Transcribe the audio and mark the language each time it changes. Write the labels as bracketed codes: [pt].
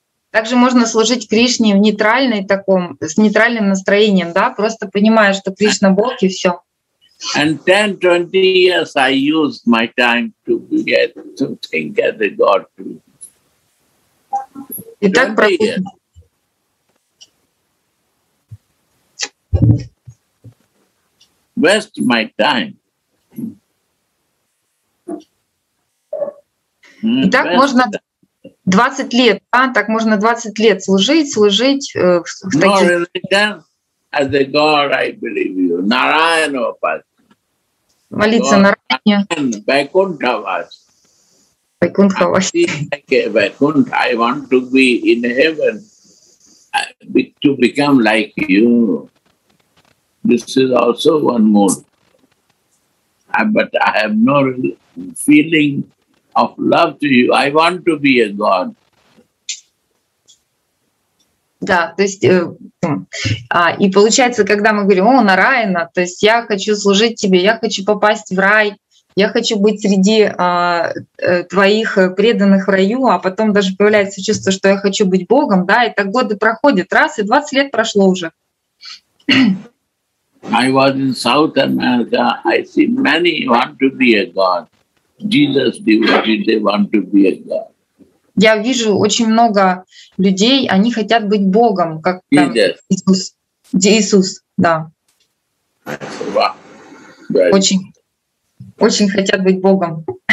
[ru] Также можно служить Кришне в нейтральной таком, с нейтральным настроением, да, просто понимая, что Кришна Бог и все. [en] And 10-20 years I used my time to get to think as a God too. [ru] Итак, [en] waste my time. [ru] Итак, можно 20 лет, а так можно 20 лет служить. [en] No religion as a God, I believe you. [sa] Narayana Upasana. [ru] Молиться Нараяне. [sa] Vaikuntha Vas. Vaikuntha Vas. [en] Vaikuntha, I want to be in heaven, to become like you. This is also one more. But I have no feeling of love to you. I want to be a God. [ru] Да, то есть, и получается, когда мы говорим, о, Нараяна, то есть я хочу служить тебе, я хочу попасть в рай, я хочу быть среди твоих преданных в раю, а потом даже появляется чувство, что я хочу быть Богом, да, и так годы проходят, раз, и 20 лет прошло уже. [en] I was in South America, I see many want to be a God. Jesus devotees, they want to be a God. [ru] Я вижу очень много людей, они хотят быть Богом, как там, Иисус. Иисус, да. [en] Wow. [ru] Очень, очень хотят быть Богом.